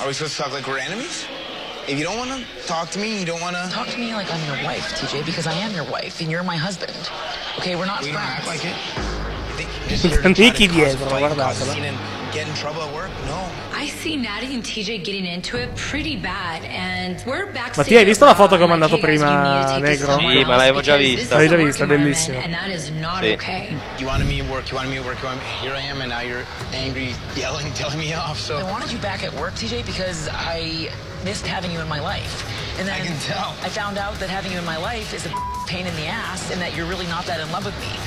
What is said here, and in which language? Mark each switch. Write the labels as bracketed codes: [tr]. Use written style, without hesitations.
[en] Are we supposed to talk like we're enemies? If you don't want to talk to me, you don't want to... Talk to me like I'm your wife, TJ, because I am your wife and you're my husband. Okay, we're not we friends. We don't act like it. [it] Antichi dietro, guardatelo. [en] Get in trouble at work? No. I see Natty and TJ getting into it pretty bad, and we're backstage. [it] Ma ti hai visto la foto che ho mandato prima, Negro? Sì, ma l'avevo già vista. L'hai già vista, bellissima. [en] And that is not okay. You wanted me at work, you wanted me at work, you wanted me. Here I am, and now you're angry, yelling, telling me off, so. I wanted you back at work, TJ, because I missed having you in my life. And then I can tell. I found out that having you in my life is a pain in the ass, and that you're really not that in love with me.